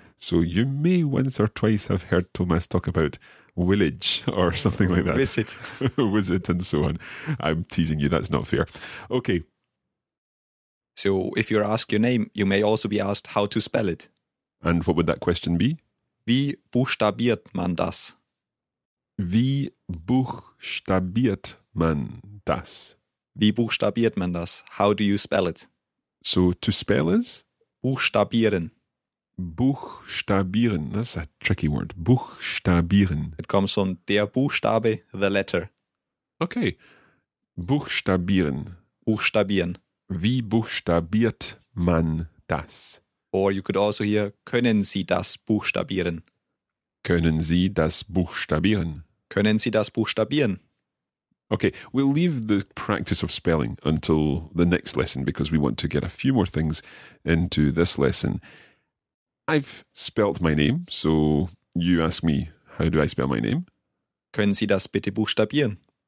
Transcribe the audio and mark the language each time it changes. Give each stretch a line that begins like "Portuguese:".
English: So you may once or twice have heard Thomas talk about village or something like that. Visit. Visit and so on. I'm teasing you. That's not fair. Okay. So if you're asked your name, you may also be asked how to spell it. And what would that question be?
German: Wie buchstabiert man das? Wie buchstabiert man das? Wie buchstabiert man das?
English: How do you spell it? So to spell is?
German: Buchstabieren.
English: Buchstabieren, that's a tricky word. Buchstabieren. It comes from
German: der Buchstabe,
English: the letter.
German: Okay. Buchstabieren. Buchstabieren. Wie buchstabiert man das?
English: Or you could also hear,
German: können Sie das buchstabieren? Können Sie das buchstabieren? Können Sie das buchstabieren?
English: Okay, we'll leave the practice of spelling until the next lesson because we want to get a few more things into this lesson. I've spelt my name, so you ask me, how do I spell my name?
German: Können Sie das bitte buchstabieren?